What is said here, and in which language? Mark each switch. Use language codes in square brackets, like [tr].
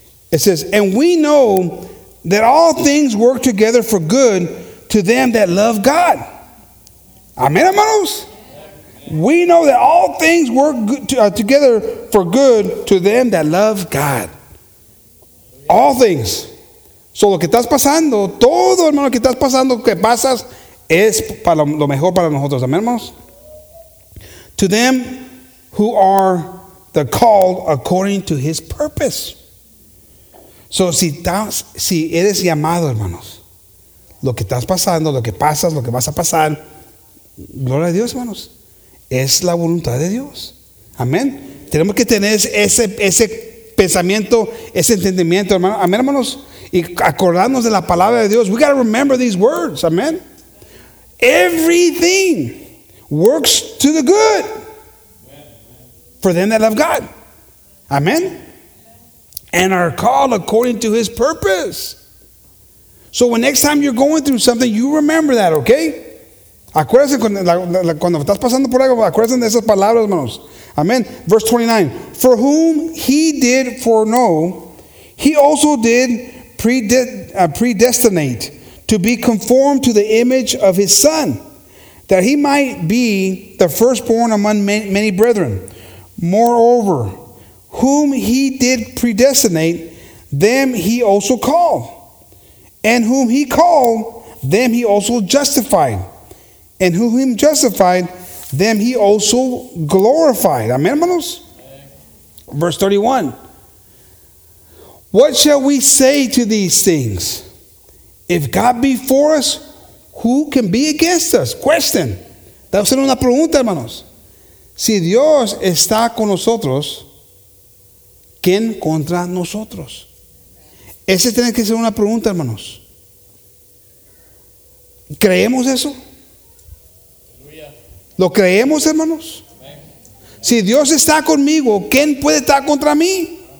[en] It says, "And we know that all things work together for good to them that love God." [es] Amén, hermanos. [en] We know that all things work together for good to them that love God. All things. [es] So lo que estás pasando, todo, hermano, que estás pasando, que pasas, es para lo mejor para nosotros. Amen, hermanos? [en] To them who are the called according to his purpose. [es] So si eres llamado, hermanos, lo que estás pasando, lo que pasas, lo que vas a pasar, gloria a Dios, hermanos. Es la voluntad de Dios. Amén. Tenemos que tener ese pensamiento, ese entendimiento, hermano. Amén, hermanos. Y acordarnos de la palabra de Dios. [en] We got to remember these words. [es] Amén. [en] Everything works to the good for them that love God. Amén. And are called according to his purpose. So when next time you're going through something, you remember that, okay? [es] Acuérdense cuando estás pasando por algo, acuérdense de esas palabras, hermanos. [en] Amén. Verse 29. For whom he did foreknow, he also did predestinate to be conformed to the image of his son, that he might be the firstborn among many brethren. Moreover, whom he did predestinate, them he also called. And whom he called, them he also justified. And who him justified, them he also glorified. [es] Amen, hermanos. [en] Verse 31. What shall we say to these things? If God be for us, who can be against us? [es] Question. Debo hacer una pregunta, hermanos. Si Dios está con nosotros, ¿quién contra nosotros? Esa tiene que ser una pregunta, hermanos. ¿Creemos eso? ¿Lo creemos, hermanos? Si Dios está conmigo, ¿quién puede estar contra mí?